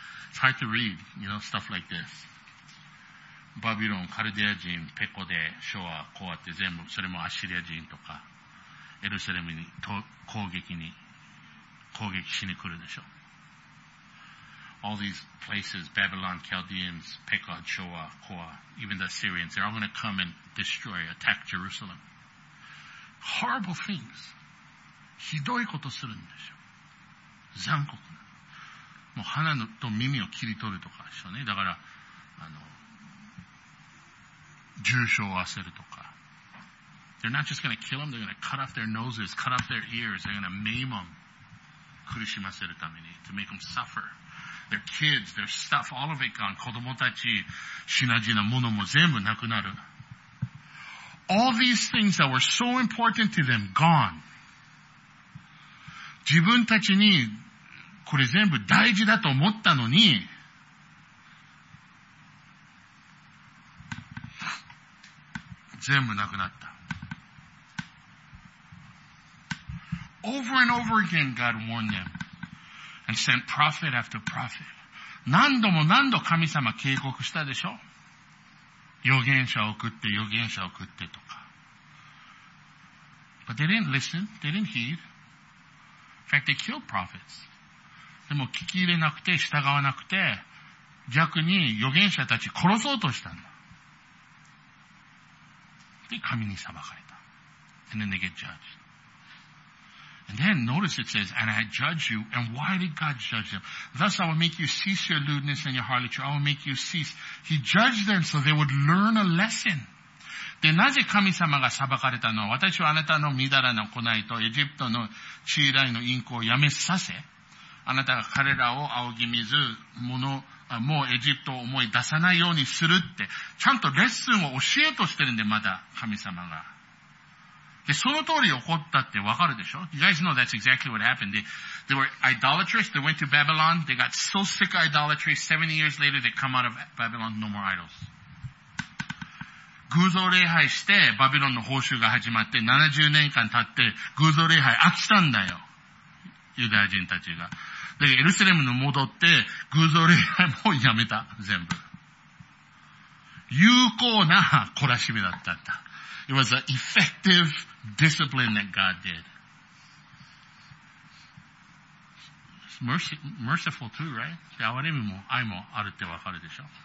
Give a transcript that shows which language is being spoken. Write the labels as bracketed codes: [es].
[en] It's hard to read, you know, stuff like this. [ja] バビロン、カルデア人、ペコで、ショア、コアって全部、それもアッシリア人とか、エルサレムに攻撃しに来るでしょ。 [en] All these places, Babylon, Chaldeans, Pekah, Shoah, Koa, even the Assyrians, they're all going to come and destroy, attack Jerusalem. Horrible things. [ja] ひどいことするんでしょ。残酷な。もう鼻と耳を切り取るとかでしょうね。だから、重傷を負わせるとか。 [en] They're not just gonna kill them, they're gonna cut off their noses, cut off their ears, they're gonna maim them. [ja] 苦しませるために、 [en] to make them suffer. Their kids, their stuff, all of it gone. [ja] 子供たち、品々なものも全部なくなる。 [en] All these things that were so important to them, gone. [ja] 自分たちに、これ全部大事だと思ったのに、全部なくなった。 [en] Over and over again, God warned them and sent prophet after prophet. [ja] 何度も何度神様警告したでしょ。預言者を送って、預言者を送ってとか。 [en] But they didn't listen. They didn't heed. In fact, they killed prophets. [ja] でも聞き入れなくて、従わなくて、逆に預言者たち殺そうとしたんだ。で、神に裁かれた。 [en] And then they get judged. And then notice it says, and I judge you, and why did God judge them? Thus I will make you cease your lewdness and your harlotry. I will make you cease. He judged them so they would learn a lesson. [ja] で、なぜ神様が裁かれたのは、私はあなたの乱らな行いと、エジプトの地以来の淫行をやめさせ、あなたが彼らを仰ぎ見ず、もうエジプトを思い出さないようにするって、ちゃんとレッスンを教えとしてるんで、まだ神様が。で、その通り起こったってわかるでしょ? [en] You guys know that's exactly what happened. They were idolatrous, they went to Babylon, they got so sick of idolatry, 70 years later they come out of Babylon, no more idols. [ja] 偶像礼拝して、バビロンの報酬が始まって、70年間経って、偶像礼拝飽きたんだよ。ユダヤ人たちが。で、エルサレムに戻って、偶像礼拝もやめた、全部。有効な懲らしめだったんだ。 [en] It was an effective discipline that God did. It's merciful too, right? [ja] じゃあ、哀れみも愛もあるってわかるでしょ。